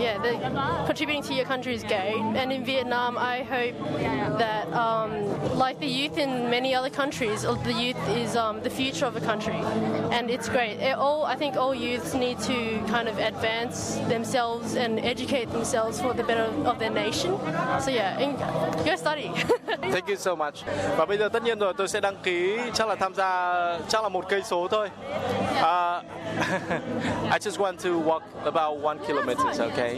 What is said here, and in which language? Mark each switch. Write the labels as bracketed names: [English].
[English] Yeah, the contributing to your country is great. And in Vietnam, I hope that like the youth in many other countries, the youth is the future of a country, and it's great. I think all youths need to kind of advance themselves and educate themselves for the better of their nation. So yeah, go study. Thank you so much. [Vietnamese] Và bây giờ tất nhiên rồi, tôi sẽ đăng ký, chắc là tham gia chắc là một cây số thôi. [English] I just want to walk about 1 kilometer, okay?